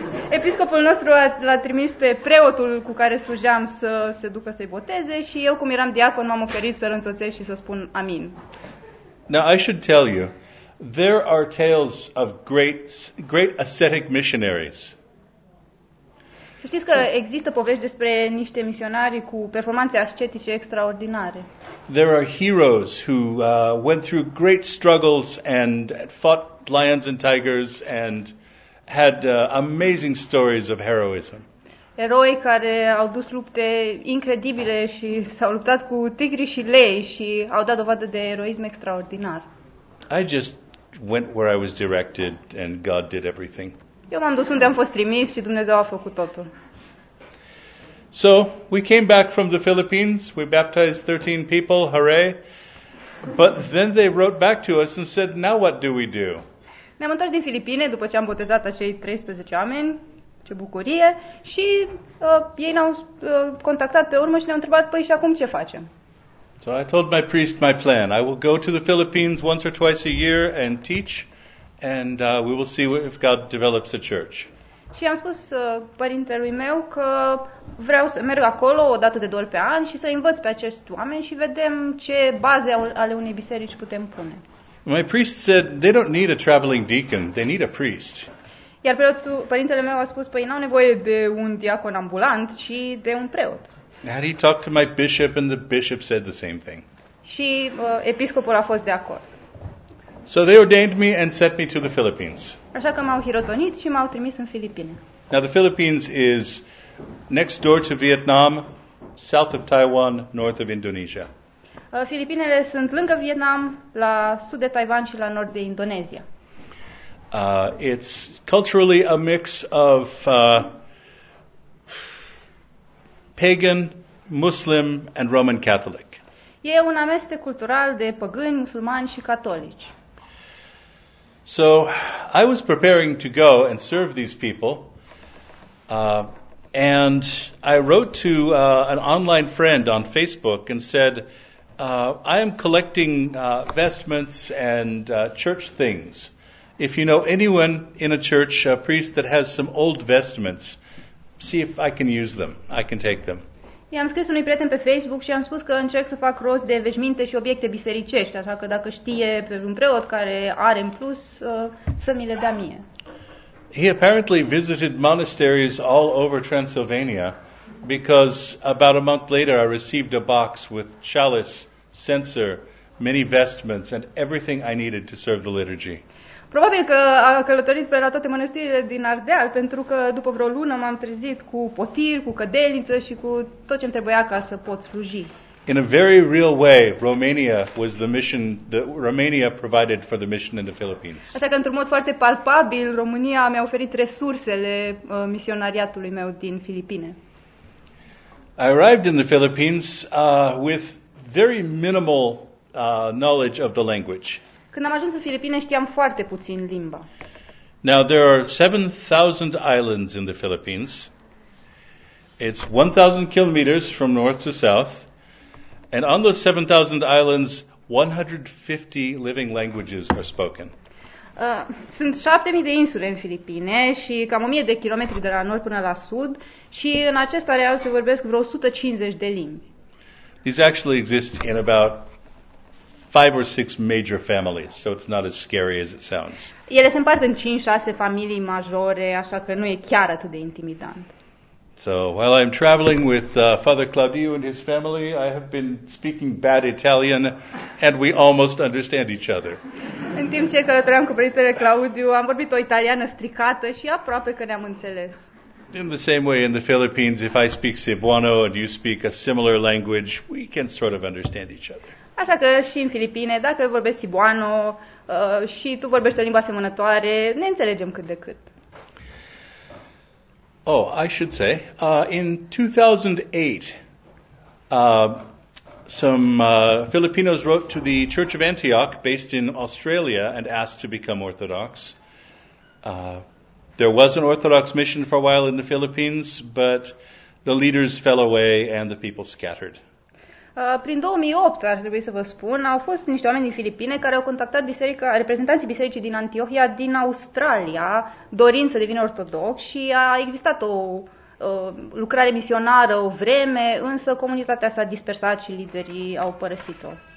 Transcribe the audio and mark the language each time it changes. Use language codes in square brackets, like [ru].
[ro] Episcopul nostru l-a trimis pe preotul cu care slujeam să se ducă să-i boteze și eu, cum eram diacon, m-am oferit să-l însoțesc și să spun amin. [en] Now I should tell you, there are tales of great ascetic missionaries. [ro] Să știți că există povești despre niște misionari cu performanțe ascetice extraordinare. [en] There are heroes who went through great struggles and fought lions and tigers and had amazing stories of heroism. [ro] Eroi care au dus lupte incredibile și s-au luptat cu tigri și lei și au dat dovadă de eroism extraordinar. [en] I just went where I was directed and God did everything. [ro] Eu m-am dus unde am fost trimis și Dumnezeu a făcut totul. [en] So, we came back from the Philippines, we baptized 13 people, hooray. But then they wrote back to us and said, now what do we do? [ro] Ne-am întors din Filipine după ce am botezat acei 13 oameni, ce bucurie, și ei ne-au contactat pe urmă și ne-au întrebat, păi și acum ce facem? [en] So I told my priest my plan. I will go to the Philippines once or twice a year and teach, and we will see if God develops a church. [ro] Și am spus părintelui meu că vreau să merg acolo o dată de două ori pe an și să învăț pe acești oameni și vedem ce baze ale unei biserici putem pune. [en] My priest said they don't need a traveling deacon, they need a priest. [ro] Iar părintele meu a spus, păi n-au nevoie de un diacon ambulant, ci de un preot. [en] And he talked to my bishop and the bishop said the same thing. [ro] Și episcopul a fost de acord. [en] So they ordained me and sent me to the Philippines. [ro] Așa că m-au hirotonit și m-au trimis în Filipine. [en] Now the Philippines is next door to Vietnam, south of Taiwan, north of Indonesia. [ro] Filipinele sunt lângă Vietnam, la sud de Taiwan și la nord de Indonezia. [en] It's culturally a mix of pagan, Muslim and Roman Catholic. [ro] E un amestec cultural de păgâni, musulmani și catolici. [en] So, I was preparing to go and serve these people, and I wrote to an online friend on Facebook and said, I am collecting vestments and church things. If you know anyone in a church, a priest that has some old vestments, see if I can use them. I can take them. [ro] I-am scris unui prieten pe Facebook și am spus că încerc să fac rost de veșminte și obiecte bisericești, așa că dacă știe pe un preot care are în plus, să mi le dea mie. [en] He apparently visited monasteries all over Transylvania because about a month later I received a box with chalice, censer, many vestments and everything I needed to serve the liturgy. [ro] Probabil că a călătorit pe la toate mănăstirile din Ardeal, pentru că după vreo lună m-am trezit cu potir, cu cădeliță și cu tot ce-mi trebuia ca să pot sluji. [en] In a very real way, Romania was the mission that Romania provided for the mission in the Philippines. [ro] Așa că într-un mod foarte palpabil, România mi-a oferit resursele misionariatului meu din Filipine. [en] I arrived in the Philippines with very minimal knowledge of the language. [ro] Când am ajuns în Filipine, știam foarte puțin limba. [en] Now there are 7,000 islands in the Philippines. It's 1,000 kilometers from north to south. And on those 7,000 islands, 150 living languages are spoken. [ro] Sunt 7,000 de insule în Filipine și cam 1,000 de kilometri de la nord până la sud și în acest areal se vorbesc vreo 150 de limbi. [en] These actually exist in about 5 or 6 major families, so it's not as scary as it sounds. [ro] Ele se împart în 5-6 familii majore, așa că nu e chiar atât de intimidant. [en] So, while I'm traveling with Father Claudio and his family, I have been speaking bad Italian and we almost understand each other. [ro] În timp ce călătoream cu părintele Claudiu, am vorbit o italiană stricată și aproape că ne-am înțeles. [en] In the same way in the Philippines, if I speak Cebuano and you speak a similar language, we can sort of understand each other. [ro] Așa că și în Filipine, dacă vorbești Cebuano și tu vorbești o limbă asemănătoare, ne înțelegem cât de cât. [en] Oh, I should say, in 2008, some Filipinos wrote to the Church of Antioch, based in Australia, and asked to become Orthodox. There was an Orthodox mission for a while in the Philippines, but the leaders fell away and the people scattered. [ro] Prin 2008, ar trebui să vă spun, au fost niște oameni din Filipine care au contactat biserica, reprezentanții bisericii din Antiohia, din Australia, dorind să devină ortodox și a existat o lucrare misionară o vreme, însă comunitatea s-a dispersat și liderii au părăsit-o.